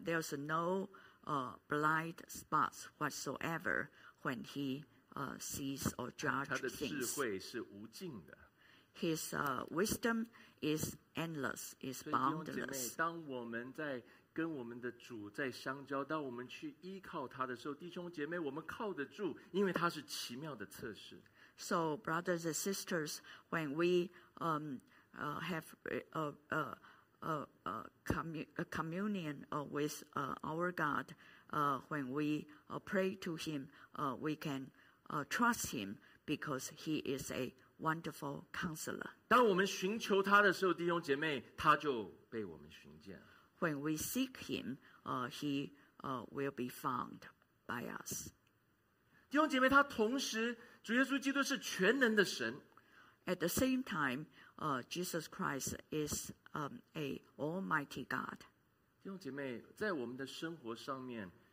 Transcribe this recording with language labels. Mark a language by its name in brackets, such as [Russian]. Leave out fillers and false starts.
[English] There's no blind spots whatsoever when he. Sees or judge things. [Chinese] 他的智慧是无尽的。 [English] His wisdom is endless, is boundless. [Chinese] 弟兄姐妹，当我们在跟我们的主在相交，当我们去依靠他的时候，弟兄姐妹，我们靠得住，因为他是奇妙的测试。 [English] So brothers and sisters, when we communion with our God, when we pray to Him, we can. Trust him because he is a wonderful counselor. [Chinese] 当我们寻求他的时候，弟兄姐妹，他就被我们寻见。 [English] When we seek him, he will be found by us. [Chinese] 弟兄姐妹，他同时，主耶稣基督是全能的神。 [English] At the same time, Jesus Christ is a almighty God. [Chinese] 弟兄姐妹，在我们的生活上面